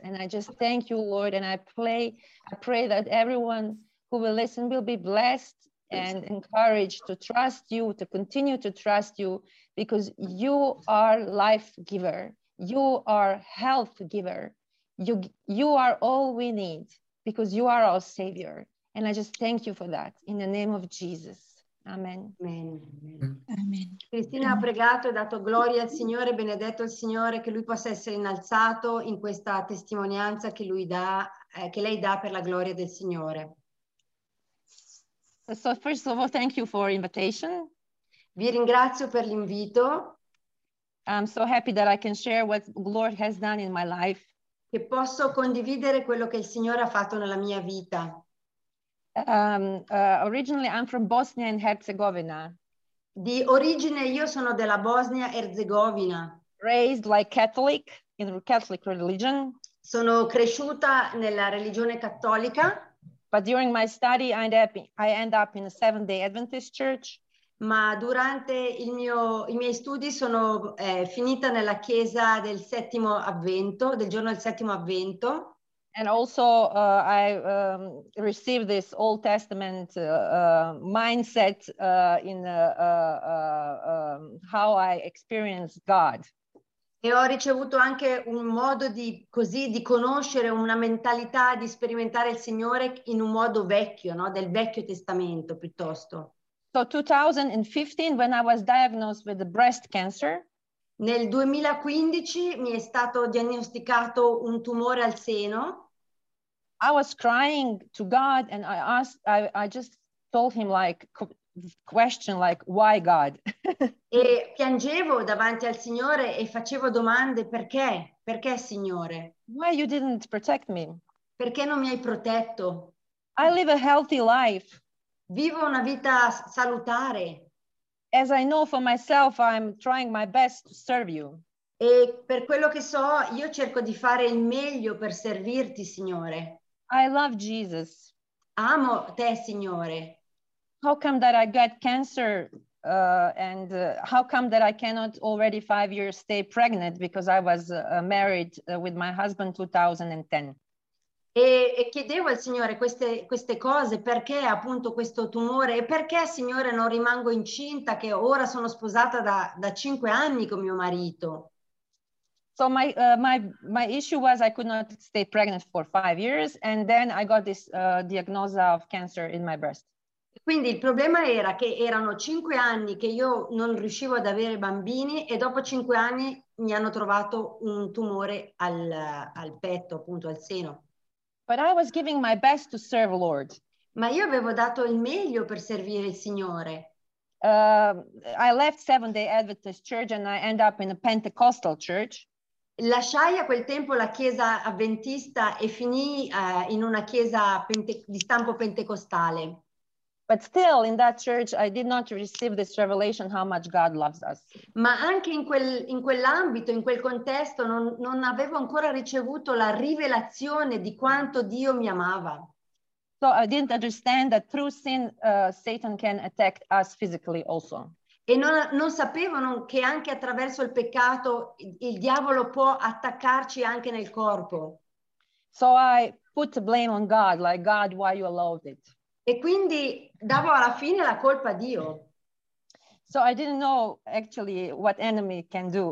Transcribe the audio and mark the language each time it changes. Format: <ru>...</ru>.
<en>And I just thank you, Lord. And I pray that everyone who will listen will be blessed and encouraged to trust you, to continue to trust you, because you are life giver. You are health giver. You are all we need, because you are our savior. And I just thank you for that in the name of Jesus. Amen.</en> <it>Cristina ha pregato e dato gloria al Signore, benedetto il Signore, che lui possa essere innalzato in questa testimonianza che lui dà, che lei dà per la gloria del Signore.</it> <en>So first of all, thank you for invitation.</en> <it>Vi ringrazio per l'invito.</it> <en>I'm so happy that I can share what the Lord has done in my life.</en> <it>Che posso condividere quello che il Signore ha fatto nella mia vita.</it> <en>Originally I'm from Bosnia and Herzegovina.</en> <it>Di origine io sono della Bosnia Erzegovina.</it> <en>Raised like Catholic in Catholic religion.</en> <it>Sono cresciuta nella religione cattolica.</it> <en>But during my study I end up in a Seventh Day Adventist church.</en> <it>Ma durante i miei studi sono finita nella chiesa del settimo avvento, del giorno del settimo avvento.</it> <en>And also I received this Old Testament mindset how I experience God.</en> <it>E ho ricevuto anche un modo di conoscere, una mentalità di sperimentare il Signore in un modo vecchio, no? Del Vecchio Testamento piuttosto.</it> <en>So 2015, when I was diagnosed with breast cancer.</en> <it>Nel 2015 mi è stato diagnosticato un tumore al seno.</it> <en>I was crying to God and I just told him like question like why God?</en> <it>E piangevo davanti al Signore e facevo domande perché Signore?</it> <en>Why you didn't protect me?</en> <it>Perché non mi hai protetto?</it> <en>I live a healthy life.</en> <it>Vivo una vita salutare.</it> <en>As I know for myself, I'm trying my best to serve you.</en> <it>E per quello che so, io cerco di fare il meglio per servirti, Signore.</it> <en>I love Jesus.</en> <it>Amo te, Signore.</it> <en>How come that I get cancer how come that I cannot already 5 years stay pregnant because I was married with my husband 2010?</en> <it>E chiedevo al Signore queste cose, perché appunto questo tumore, e perché, Signore, non rimango incinta che ora sono sposata da 5 anni con mio marito?</it> <en>So my issue was I could not stay pregnant for 5 years, and then I got this diagnosis of cancer in my breast.</en> <it>Quindi il problema era che erano 5 anni che io non riuscivo ad avere bambini, e dopo 5 anni mi hanno trovato un tumore al petto, appunto al seno.</it> <en>But I was giving my best to serve the Lord.</en> <it>Ma io avevo dato il meglio per servire il Signore.</it> <en>I left Seventh Day Adventist Church and I end up in a Pentecostal church.</en> <it>Lasciai a quel tempo la chiesa avventista e finì in una chiesa di stampo pentecostale.</it> <en>But still in that church I did not receive this revelation how much God loves us.</en> <it>Ma anche in quell'ambito, in quel contesto, non avevo ancora ricevuto la rivelazione di quanto Dio mi amava.</it> <en>So I didn't understand that through sin Satan can attack us physically also.</en> <it>E non sapevano che anche attraverso il peccato il diavolo può attaccarci anche nel corpo.</it> <en>So I put the blame on God, like, God, why you allowed it?</en> <it>E quindi davo alla fine la colpa a Dio.</it> <en>So I didn't know actually what enemy can do.</en>